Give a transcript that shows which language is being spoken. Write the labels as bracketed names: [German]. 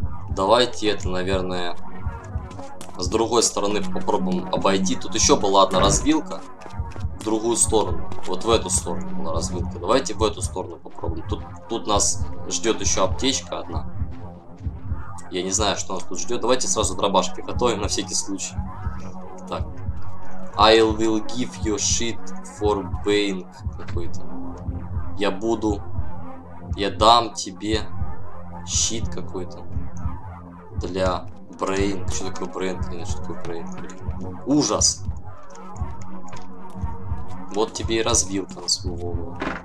[Russian] Давайте это, наверное, с другой стороны попробуем обойти. Тут еще была одна развилка. В другую сторону. Вот в эту сторону была развилка. Давайте в эту сторону попробуем. Тут нас ждет еще аптечка одна. Я не знаю, что нас тут ждет. Давайте сразу дробаш приготовим на всякий случай. Так. [English] I will give you shit for being [Russian] какой-то. Я дам тебе щит какой-то для brain. Что такое brain? Не знаю, что такое brain. Ужас. Вот тебе и развилка на свою голову.